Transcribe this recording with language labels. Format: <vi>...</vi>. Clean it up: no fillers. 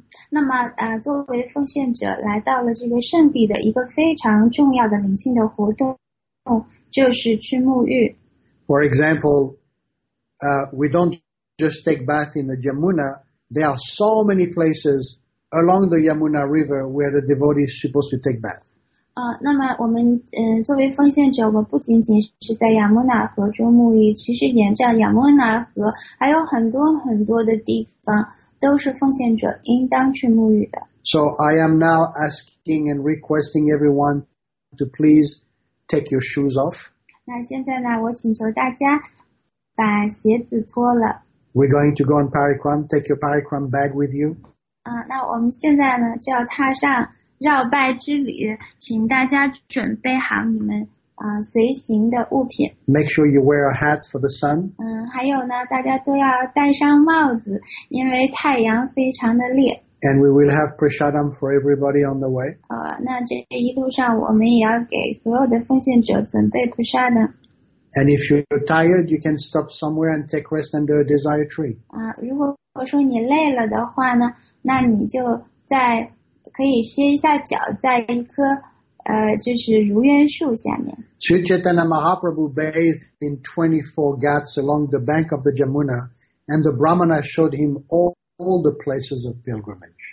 <zh>那么作为奉献者来到了这个圣地的一个非常重要的灵性的活动，就是去沐浴。</zh> <en>For example, we don't just take bath in the Yamuna. There are so many places along the Yamuna River where the devotee is supposed to take bath.</en> <zh>那么我们作为奉献者，我们不仅仅是在 Yamuna 河中沐浴，其实沿着 Yamuna 河还有很多很多的地方都是奉献者应当去沐浴的。</zh> <en>So I am now asking and requesting everyone to please take your shoes off.</en> <zh>那现在呢，我请求大家把鞋子脱了。</zh> <en>We're going to go on parikram. Take your parikram bag with you.</en> <zh>那我们现在呢就要踏上绕拜之旅，请大家准备好你们随行的物品。</zh> <en>Make sure you wear a hat for the sun.</en> <zh>还有呢，大家都要戴上帽子，因为太阳非常的烈。</zh> <en>And we will have prasadam for everybody on the way.</en> <zh>那这一路上我们也要给所有的奉献者准备 prasadam.</zh> <en>And if you're tired, you can stop somewhere and take rest under a desire tree.</en> <zh>如果说你累了的话呢，那你就在可以歇一下脚，在一棵就是如愿树下面。</zh> <en>Sri Chaitanya Mahaprabhu bathed in 24 ghats along the bank of the Yamuna, and the Brahmana showed him all the places of pilgrimage.</en>